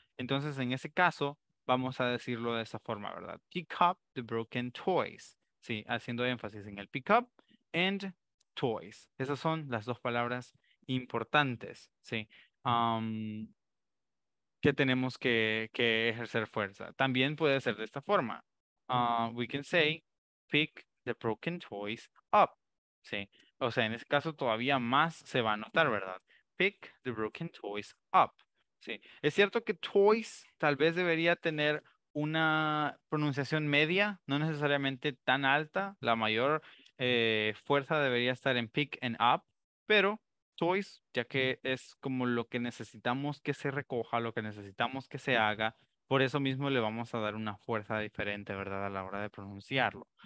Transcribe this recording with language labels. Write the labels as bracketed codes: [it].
[es] Entonces, en ese caso, vamos a decirlo de esa forma, ¿verdad? [en] Pick up the broken toys. [es] Sí, haciendo énfasis en el [en] pick up and toys. [es] Esas son las dos palabras importantes, sí, que tenemos que ejercer fuerza. También puede ser de esta forma. [en] We can say, pick the broken toys up. [es] Sí, o sea, en ese caso todavía más se va a notar, ¿verdad? [en] Pick the broken toys up. [es] Sí, es cierto que toys tal vez debería tener una pronunciación media, no necesariamente tan alta. La mayor fuerza debería estar en pick and up, pero toys, ya que es como lo que necesitamos que se recoja, lo que necesitamos que se haga, por eso mismo le vamos a dar una fuerza diferente, ¿verdad?, a la hora de pronunciarlo.